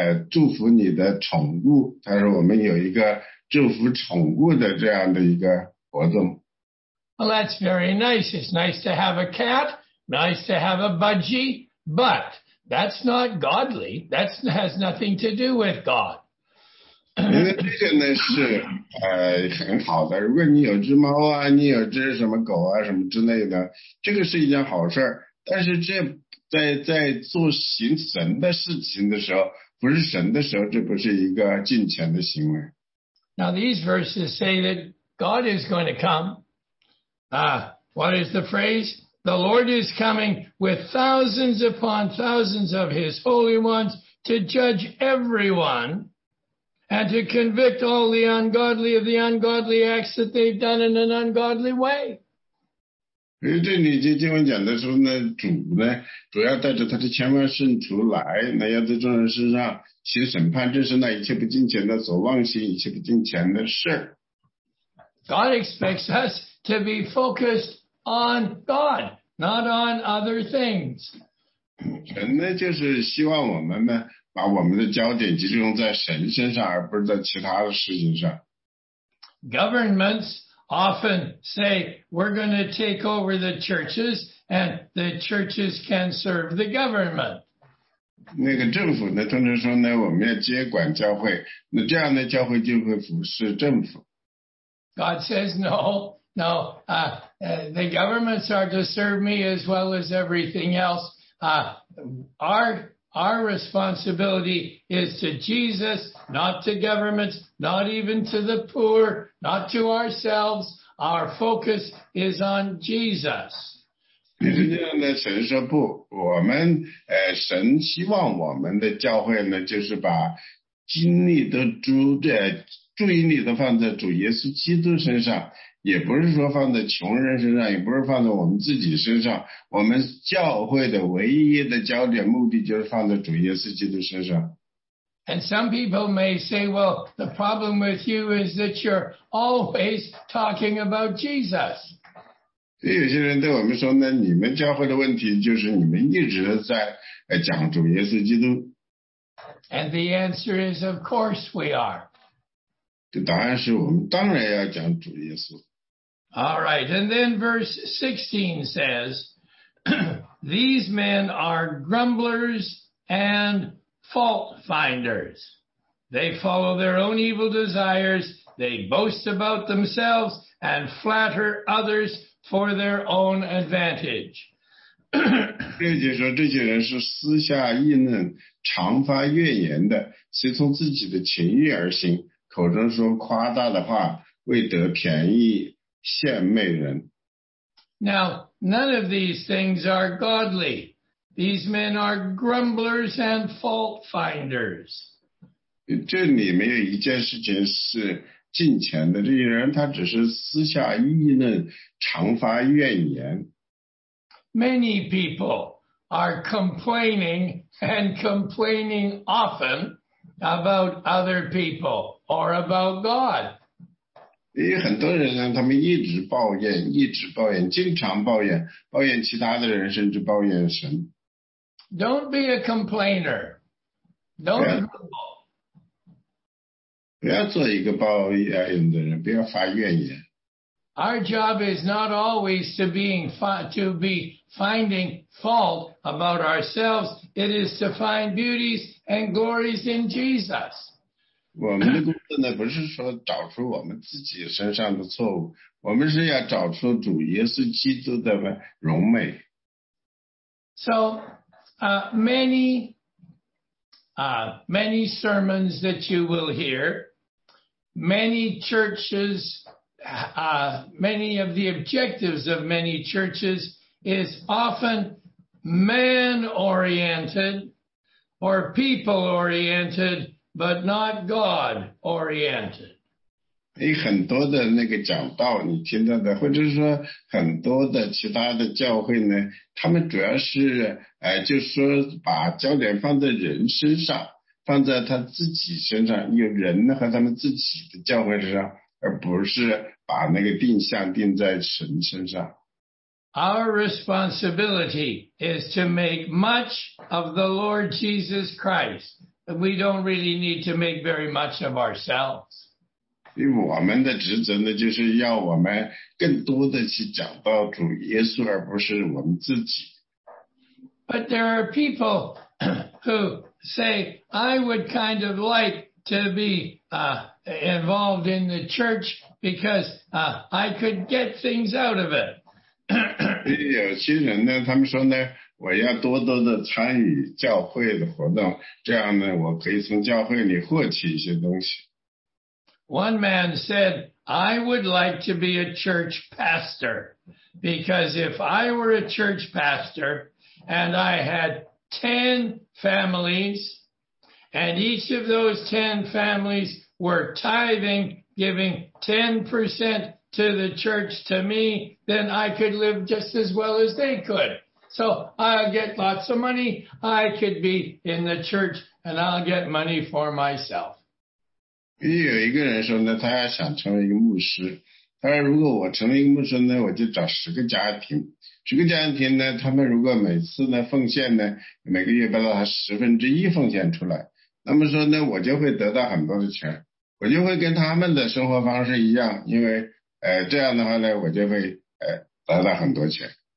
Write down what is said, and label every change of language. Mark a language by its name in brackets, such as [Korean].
[Chinese] 祝福你的宠物，他说我们有一个祝福宠物的这样的一个活动。 [English] Well, that's very nice. It's nice to have a cat, nice to have a budgie, but that's not godly. That has nothing to do with God. [Chinese] 因为这个呢是很好的，如果你有只猫啊，你有只什么狗啊什么之类的，这个是一件好事，但是这在做行神的事情的时候，不是神的时候，这不是一个敬虔的行为。 [English] Now these verses say that God is going to come. What is the phrase? The Lord is coming with thousands upon thousands of his holy ones to judge everyone and to convict all the ungodly of the ungodly acts that they've done in an ungodly way. [Chinese] 所以这里经文讲的时候呢，主呢主要带着他的千万圣徒来，那要在众人身上行审判，这是那一切不敬虔的所妄行一切不敬虔的事。 [English] God expects us to be focused on God, not on other things. [Chinese] 神呢就是希望我们呢把我们的焦点集中在神身上，而不是在其他的事情上。 [English] Governments. Often say, we're going to take over the churches and the churches can serve the government. [Chinese] 那个政府呢通常说呢我们要接管教会，那这样呢教会就会服侍政府。 [English] God says, no, the governments are to serve me as well as everything else. Our responsibility is to Jesus, not to governments, not even to the poor, not to ourselves. Our focus is on Jesus. [Chinese] 你是这样的，神说不，我们神希望我们的教会呢，就是把精力都注意力都放在主耶稣基督身上，也不是说放在穷人身上，也不是放在我们自己身上，我们教会的唯一的焦点目的就是放在主耶稣基督身上。 [English] And some people may say, well, the problem with you is that you're always talking about Jesus. [Chinese] 所以有些人对我们说呢，你们教会的问题就是你们一直在讲主耶稣基督。 [English] And the answer is, of course we are. [Chinese] 这答案是我们当然要讲主耶稣。 [English] All right, and then verse 16 says, These men are grumblers and fault finders. They follow their own evil desires, they boast about themselves and flatter others for their own advantage. [Chinese] 这就说这些人是私下议论，常发怨言的，随从自己的情欲而行。口中说夸大的话，为得便宜献媚人。 [English] Now, none of these things are godly. These men are grumblers and fault finders. [Chinese] 这里没有一件事情是敬虔的，这些人他只是私下议论，常发怨言。 [English] Many people are complaining and complaining often. About other people or about God. [Chinese] 因为很多人呢，他们一直抱怨，一直抱怨，经常抱怨，抱怨其他的人，甚至抱怨神。 [English] Don't be a complainer. Don't grumble. [Chinese] 不要做一个抱怨的人，不要发怨言。 [English] Our job is not always to be finding fault about ourselves. It is to find beauties and glories in Jesus. [Chinese] 我们的工作呢，不是说找出我们自己身上的错误，我们是要找出主耶稣基督的荣美。 [English] So, many sermons that you will hear, many churches. Many of the objectives of many churches is often man-oriented or people-oriented, but not God-oriented. [Chinese] 很多的那个讲道你听到的，或者说很多的其他的教会呢，他们主要是就说把焦点放在人身上，放在他自己身上，有人和他们自己的教会身上，而不是把那个定向定在神身上。 [English] Our responsibility is to make much of the Lord Jesus Christ, we don't really need to make very much of ourselves. [Chinese] 因为我们的职责呢，就是要我们更多的去讲到主耶稣，而不是我们自己。 [English] But there are people who say, I would kind of like to be involved in the church because I could get things out of it. [Chinese] 有些人呢，他们说呢，我要多多的参与教会的活动，这样呢，我可以从教会里获取一些东西。 [English] One man said, I would like to be a church pastor because if I were a church pastor and I had 10 families and each of those 10 families were tithing, giving 10% to the church to me, then I could live just as well as they could. So I'll get lots of money. I could be in the church and I'll get money for myself. [Chinese] 也有一个人说呢，他要想成为一个牧师。他说，如果我成为一个牧师呢，我就找10个家庭呢，他们如果每次呢奉献呢，每个月把他1/10奉献出来，那么说呢，我就会得到很多的钱，我就会跟他们的生活方式一样，因为这样的话呢，我就会得到很多钱。